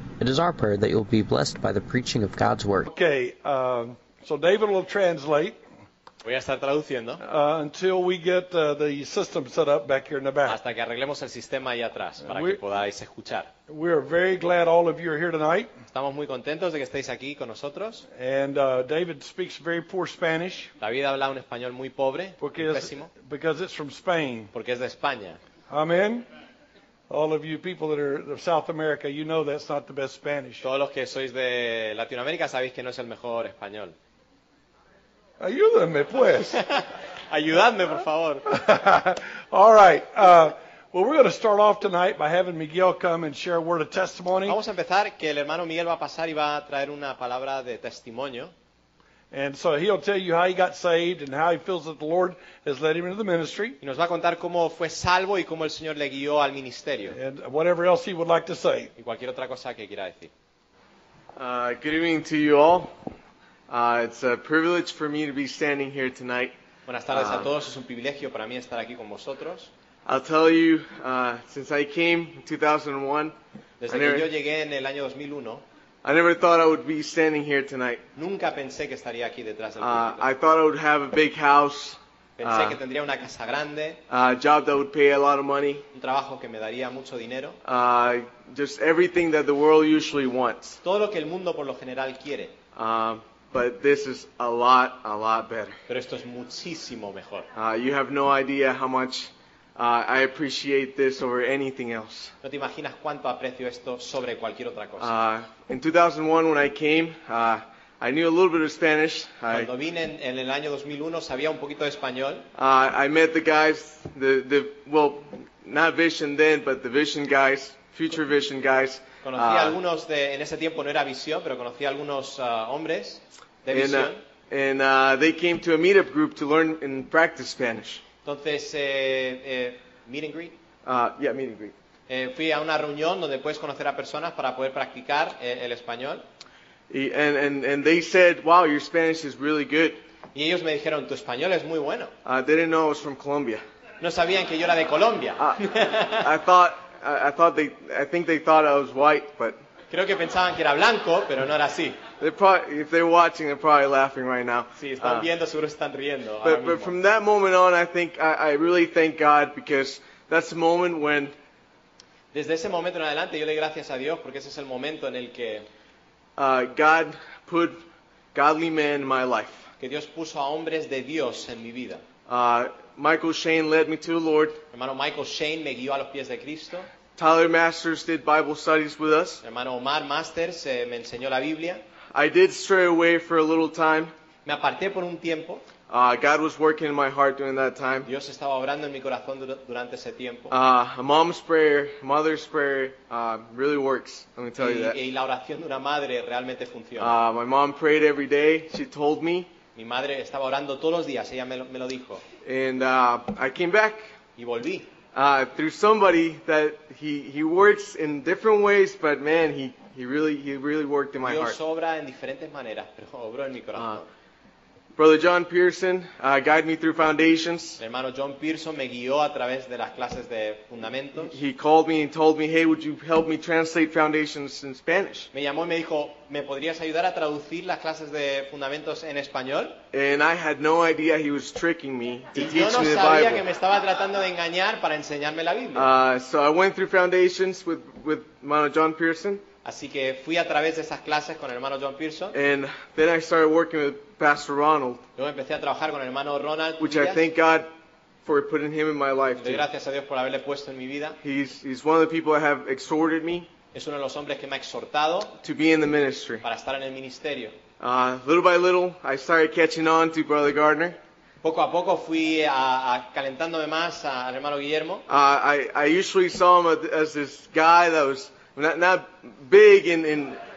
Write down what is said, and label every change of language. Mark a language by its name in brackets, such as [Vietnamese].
[English] It is our prayer that you'll be blessed by the preaching of God's word. Okay, so David will translate. [Spanish] Voy a estar traduciendo. [English] Until we get the system set up back here in the back. [Spanish] Hasta que arreglemos el sistema ahí atrás para que podáis escuchar. [English] We are very glad all of you are here tonight. [Spanish] Estamos muy contentos de que estéis aquí con nosotros. [English] And David speaks very poor Spanish. [Spanish] David habla un español muy pobre, pésimo. [English] Because it's from Spain. [Spanish] Porque es de España. [English] Amen. All of you people that are of South America, you know that's not the best Spanish. [Spanish] Todos los que sois de Latinoamérica sabéis que no es el mejor español. Ayúdame, pues. Ayúdame, por favor. [English] All right. Well, we're going to start off tonight by having Miguel come and share a word of testimony. [Spanish] Vamos a empezar que el hermano Miguel va a pasar y va a traer una palabra de testimonio. [English] And so he'll tell you how he got saved and how he feels that the Lord has led him into the ministry. [Spanish] Y nos va a contar cómo fue salvo y cómo el Señor le guió al ministerio. [English] And whatever else he would like to say. [Spanish] Y cualquier otra cosa que quiera decir. [English] Good evening to you all. It's a privilege for me to be standing here tonight. [Spanish] Buenas tardes a todos. Es un privilegio para mí estar aquí con vosotros. [English] I'll tell you, since I came in 2001, [Spanish] yo llegué en el año 2001, [English] I never thought I would be standing here tonight. [Spanish] Nunca pensé que estaría aquí detrás del público. [English] I thought I would have a big house. [Spanish] Pensé que tendría una casa grande. [English] A job that would pay a lot of money. [Spanish] Un trabajo que me daría mucho dinero. [English] Just everything that the world usually wants. [Spanish] Todo lo que el mundo por lo general quiere. [English] But this is a lot better. [Spanish] Pero esto es muchísimo mejor. [English] You have no idea how much I appreciate this over anything else. [Spanish] No te imaginas cuánto aprecio esto sobre cualquier otra cosa. [English] In 2001, when I came, I knew a little bit of Spanish. [Spanish] Cuando vine en el año 2001, sabía un poquito de español. [English] I met the guys, well, not Vision then, but the Vision guys, Future Vision guys. [Spanish] Conocí algunos de, en ese tiempo no era Visión, pero conocí algunos hombres de Visión. [English] They came to a meetup group to learn and practice Spanish. [Spanish] Entonces, [English] meet and greet. Meet and greet. [Spanish] Fui a una reunión donde puedes conocer a personas para poder practicar el español. [English] And they said, wow, your Spanish is really good. [Spanish] Y ellos me dijeron, tu español es muy bueno. [English] They didn't know I was from Colombia. [Spanish] No sabían que yo era de Colombia. [English] I think they thought I was white, but. [Spanish] Creo que pensaban que era blanco, pero no era así. [English] If they're watching, they're probably laughing right now. [Spanish] Sí, están viendo, seguro están riendo. [English] But from that moment on, I think I really thank God because that's the moment when. [Spanish] Desde ese momento en adelante, yo le doy gracias a Dios porque ese es el momento en el que. [English] God put godly men in my life. [Spanish] Que Dios puso a hombres de Dios en mi vida. [English] Michael Shane led me to the Lord. [Spanish] Hermano Michael Shane me guió a los pies de Cristo. [English] Tyler Masters did Bible studies with us. [Spanish] Hermano Omar Masters me enseñó la Biblia. [English] I did stray away for a little time. [Spanish] Me aparté por un tiempo. [English] God was working in my heart during that time. [Spanish] Dios estaba obrando en mi corazón durante ese tiempo. [English] A mom's prayer, mother's prayer, really works. Let me tell you that. [Spanish] Y la oración de una madre realmente funciona. [English] My mom prayed every day. She told me. [Spanish] Mi madre estaba orando todos los días. Ella me lo dijo. [English] And I came back. [Spanish] Y volví. [English] Through somebody that he works in different ways, but man, he really worked in my [Spanish] Dios Dios obra en diferentes maneras, pero obró en mi corazón. Brother John Pearson guided me through foundations. El hermano John Pearson me guió a través de las clases de fundamentos. He called me and told me, hey, would you help me translate foundations in Spanish? Me llamó y me dijo, ¿me podrías ayudar a traducir las clases de fundamentos en español? [English] And I had no idea he was tricking me to [Spanish] y [English] teach [Spanish] no [English] me the Bible. [Spanish] Yo no sabía que me estaba tratando de engañar para enseñarme la Biblia. [English] So I went through foundations with hermano John Pearson. [Spanish] Así que fui a través de esas clases con el hermano John Pearson. [English] And then I started working with Pastor Ronald. [Spanish] Yo empecé a trabajar con el hermano Ronald. [English] Which [Spanish] Díaz, [English] I thank God for putting him in my life. [Spanish] Doy gracias a Dios por haberle puesto en mi vida. [English] He's one of the people that have exhorted me. [Spanish] Es uno de los hombres que me ha exhortado. [English] To be in the ministry. [Spanish] Para estar en el ministerio. [English] Little by little, I started catching on to Brother Gardner. [Spanish] Poco a poco fui a calentándome más al hermano Guillermo. [English] I usually saw him as this guy that was not big in.